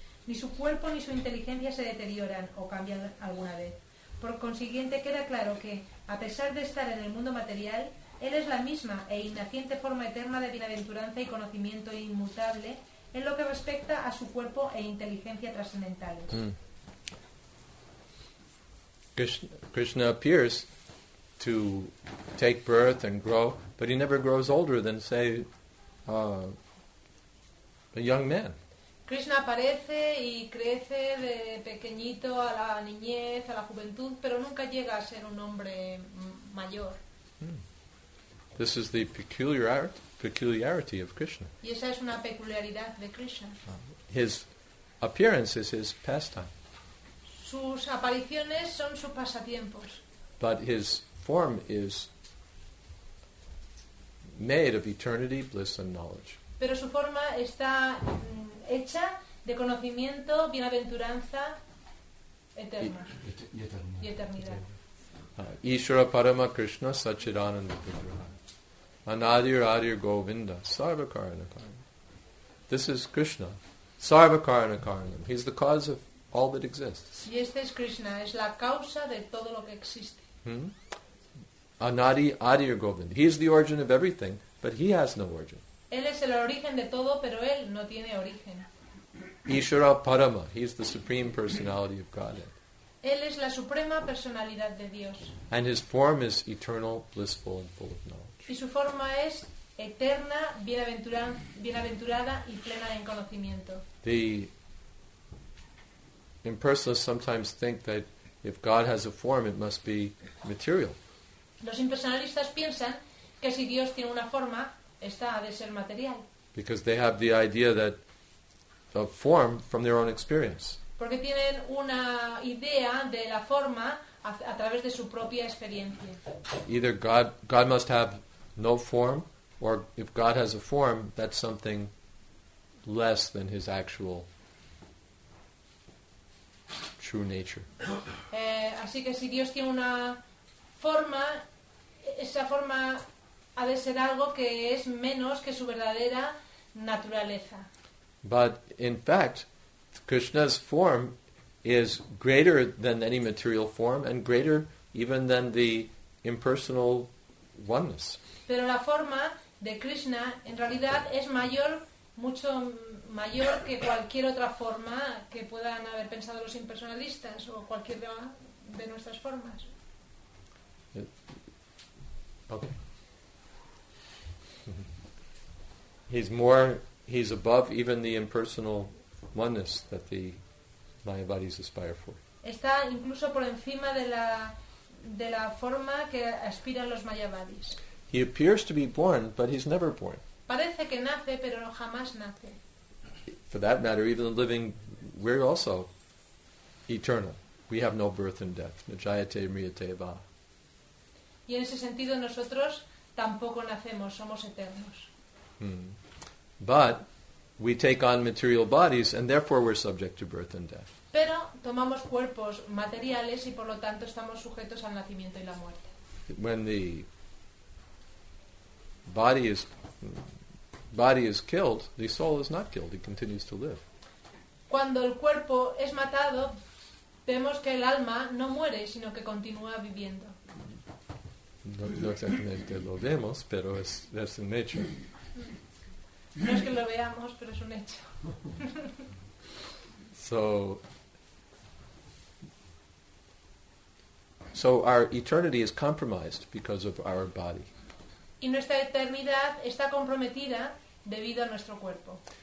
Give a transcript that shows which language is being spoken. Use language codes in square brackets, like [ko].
[es] Ni su cuerpo ni su inteligencia se deterioran o cambian alguna vez. Por consiguiente, queda claro que, a pesar de estar en el mundo material, él es la misma e innaciente forma eterna de bienaventuranza y conocimiento inmutable en lo que respecta a su cuerpo e inteligencia trascendentales. [en] Krishna appears to take birth and grow, but he never grows older than, say, a young man. [es] Krishna aparece y crece de pequeñito a la niñez, a la juventud, pero nunca llega a ser un hombre mayor. [en] This is the peculiarity of Krishna. [es] Y esa es una peculiaridad de Krishna. [en] His appearance is his pastime. [es] Sus apariciones son sus pasatiempos. [en] But his form is made of eternity, bliss and knowledge. [es] Pero su forma está hecha de conocimiento, bienaventuranza eterna. Y eternidad. [sa] Ishvara Parama Krishna Sachidananda Vigraha. Anadir Adir Govinda Sarvakarana Karanam. [en] This is Krishna. [sa] Sarvakarana Karanam. [en] He's the cause of all that exists. [es] Y este es Krishna, es la causa de todo lo que existe. [sa] Anadi Adir Govinda. [en] He is the origin of everything, but he has no origin. [es] Él es el origen de todo, pero él no tiene origen. [sa] Ishvara Parama, [en] he is the supreme personality of Godhead. [es] Él es la suprema personalidad de Dios. [en] And his form is eternal, blissful and full of knowledge. [es] Y su forma es eterna, bienaventurada y plena en conocimiento. [en] The impersonalists sometimes think that if God has a form, it must be material. [es] Los impersonalistas piensan que si Dios tiene una forma, esta ha de ser material. [en] Because they have the idea that a form from their own experience. [es] Porque tienen una idea de la forma a través de su propia experiencia. [en] Either God must have no form, or if God has a form, that's something less than his actual true nature. [es] Así que si Dios tiene una forma, esa forma ha de ser algo que es menos que su verdadera naturaleza. [en] But in fact, Krishna's form is greater than any material form and greater even than the impersonal oneness. [es] Pero la forma de Krishna en realidad es mayor, mucho mayor que cualquier otra forma que puedan haber pensado los impersonalistas o cualquier de nuestras formas. [en] Okay. He's above even the impersonal oneness that the Mayavadis aspire for. [es] Está incluso por encima de la forma que aspiran los Mayavadis. [en] He appears to be born, but he's never born. [es] Parece que nace, pero jamás nace. [en] For that matter, even the living, we're also eternal. We have no birth and death. [sa] Jayate Mriyate Va. [es] Y en ese sentido nosotros tampoco nacemos, somos eternos. [en] But we take on material bodies and therefore we're subject to birth and death. [es] Pero tomamos cuerpos materiales y por lo tanto estamos sujetos al nacimiento y la muerte. [en] When the body is killed, the soul is not killed, it continues to live. [es] Cuando el cuerpo es matado, vemos que el alma no muere, sino que continúa viviendo. No exactamente lo vemos, pero es un hecho. No es que lo veamos, pero es un hecho. [en] So our eternity is compromised because of our body. [es] Y nuestra eternidad está comprometida debido a nuestro cuerpo.